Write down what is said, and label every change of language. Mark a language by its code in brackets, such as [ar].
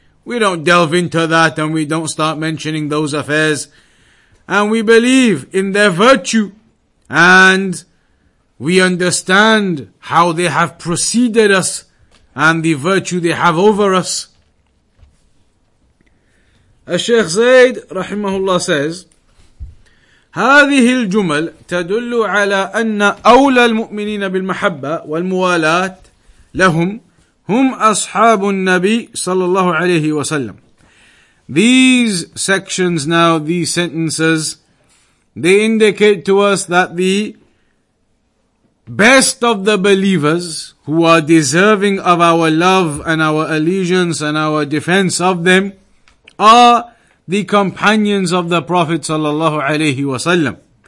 [en] We don't delve into that and we don't start mentioning those affairs. And we believe in their virtue and we understand how they have preceded us and the virtue they have over us. As Shaykh Zaid rahimahullah says, [ar] هذه الجمل تدل على أن أولى المؤمنين بالمحبة والموالاة لهم هم أصحاب النبي صلى الله عليه وسلم. [en] These sections now, these sentences, they indicate to us that the best of the believers who are deserving of our love and our allegiance and our defense of them are the companions of the Prophet sallallahu alaihi wasallam.